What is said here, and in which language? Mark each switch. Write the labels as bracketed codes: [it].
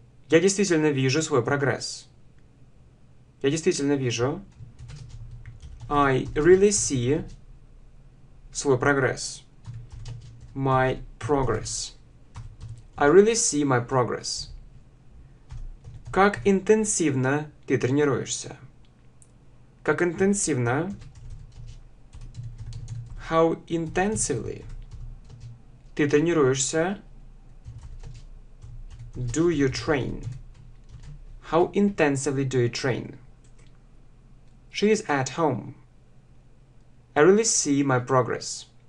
[ru] Я действительно вижу свой прогресс. Я действительно вижу. [en] I really see [ru] свой прогресс. [en] My progress. I really see my progress. [ru] Как интенсивно ты тренируешься? Как интенсивно? [en] How intensively [ru] ты тренируешься? [en] Do you train? How intensively do you train? She is at home. I really see my progress.